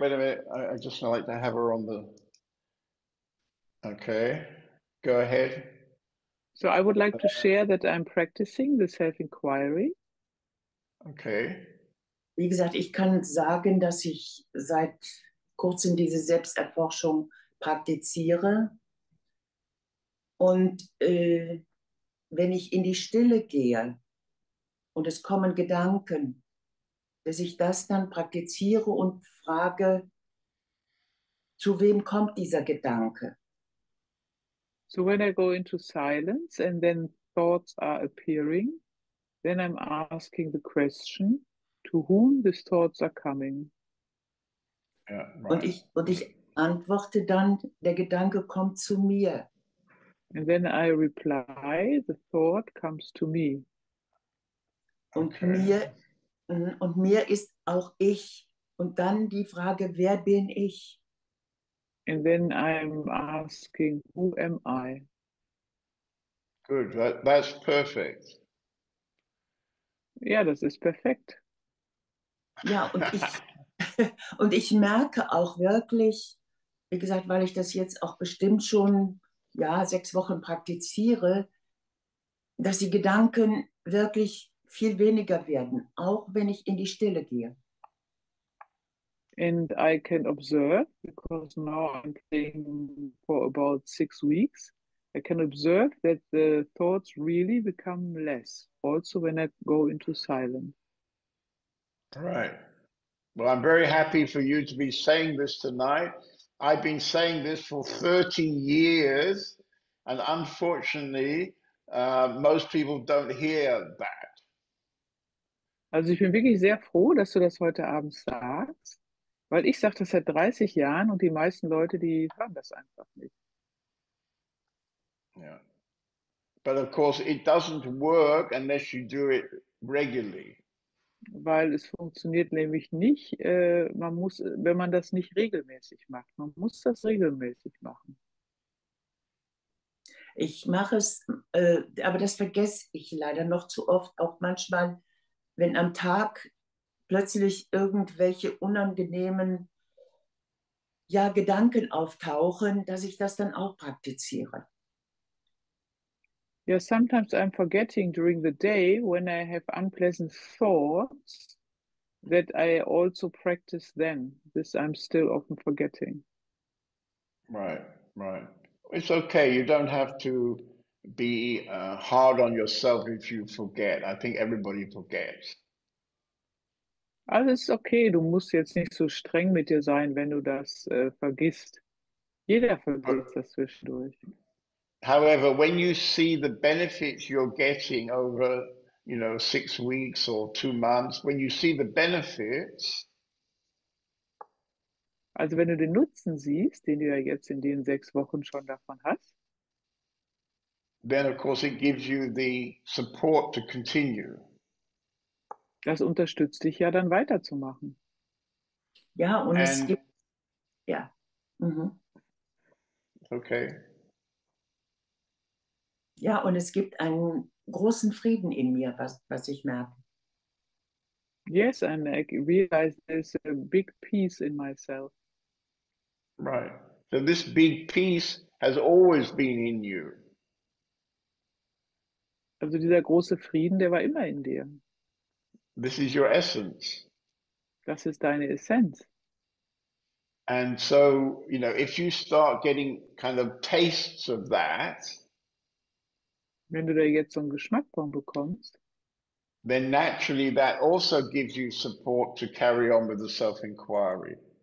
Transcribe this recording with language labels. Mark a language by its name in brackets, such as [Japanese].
[English] I just like to have her on the... Okay, go ahead. So I would like to share that I'm practicing the self-inquiry. Okay. [German] Wie gesagt, ich kann sagen, dass ich seit kurzem diese Selbsterforschung praktiziere. Und wenn ich in die Stille gehe und es kommen Gedanken, dass ich das dann praktiziere und frage, zu wem kommt dieser Gedanke? [English] So when I go into silence and then thoughts are appearing, then I'm asking the question, to whom these thoughts are coming. Yeah, right. [German] Und ich antworte dann, der Gedanke kommt zu mir. [English] And then I reply, the thought comes to me. [German] Und mir ist auch ich. Und dann die Frage, wer bin ich? [English] And then I'm asking, who am I? Good, that's perfect. [German] Ja, das ist perfekt. Ja, und ich merke auch wirklich, wie gesagt, weil ich das jetzt auch bestimmt schon, ja, 6 Wochen praktiziere, dass die Gedanken wirklich viel weniger werden, auch wenn ich in die Stille gehe. [English] And I can observe, because now I'm playing for about 6 weeks, I can observe that the thoughts really become less, also when I go into silence. Right. Well, I'm very happy for you to be saying this tonight. I've been saying this for 30 years, and unfortunately, most people don't hear that. [German] Also ich bin wirklich sehr froh, dass du das heute Abend sagst. Weil ich sage das seit 30 Jahren und die meisten Leute, die hören das einfach nicht. [English] Yeah. But of course it doesn't work unless you do it regularly. [German] Weil es funktioniert nämlich nicht, man muss, wenn man das nicht regelmäßig macht. Man muss das regelmäßig machen. Ich mache es, aber das vergesse ich leider noch zu oft. Auch manchmal, wenn am Tag plötzlich irgendwelche unangenehmen, ja, Gedanken auftauchen, dass ich das dann auch praktiziere. [English] Yeah, sometimes I'm forgetting during the day when I have unpleasant thoughts that I also practice then. This I'm still often forgetting. Right. It's okay. You don't have to be hard on yourself if you forget. I think everybody forgets. [German] Alles okay, du musst jetzt nicht so streng mit dir sein, wenn du das vergisst. Jeder vergisst das zwischendurch. [English] However, when you see the benefits you're getting over, you know, 6 weeks or 2 months, when you see the benefits. [German] Also wenn du den Nutzen siehst, den du ja jetzt in den 6 Wochen schon davon hast. [English] Then of course it gives you the support to continue. [German] Das unterstützt dich ja dann weiterzumachen. Ja, und es gibt. Ja. [English] Okay. [German] Ja, und es gibt einen großen Frieden in mir, was ich merke. [English] Yes, and I realize there's a big peace in myself. Right. So this big peace has always been in you. [German] Also dieser große Frieden, der war immer in dir. [English] This is your essence. [German] Das ist deine Essenz. [English] And so, you know, if you start getting kind of tastes of that, [German] wenn du da jetzt so einen Geschmack von bekommst, [English] then naturally that also gives you support to carry on with the self-inquiry.